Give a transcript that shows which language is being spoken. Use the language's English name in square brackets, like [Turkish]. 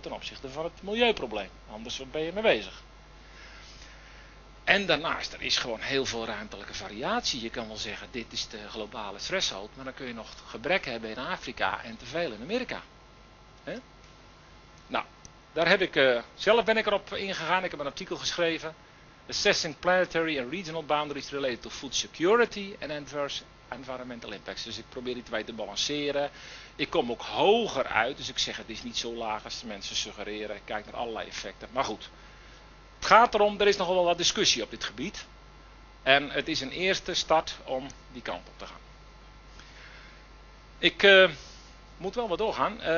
[Dutch] Ten opzichte van het milieuprobleem. Anders ben je mee bezig. En daarnaast, er is gewoon heel veel ruimtelijke variatie. Je kan wel zeggen, dit is de globale threshold, maar dan kun je nog gebrek hebben in Afrika en te veel in Amerika. He? Nou, daar heb ik, zelf ben ik erop ingegaan, ik heb een artikel geschreven. [English] assessing planetary and regional boundaries related to food security and adverse environmental impacts. [Dutch] Dus ik probeer die twee te balanceren. Ik kom ook hoger uit, dus ik zeg het is niet zo laag als de mensen suggereren. Ik kijk naar allerlei effecten. Maar goed, het gaat erom, er is nogal wel wat discussie op dit gebied. En het is een eerste start om die kant op te gaan. Ik moet wel wat doorgaan.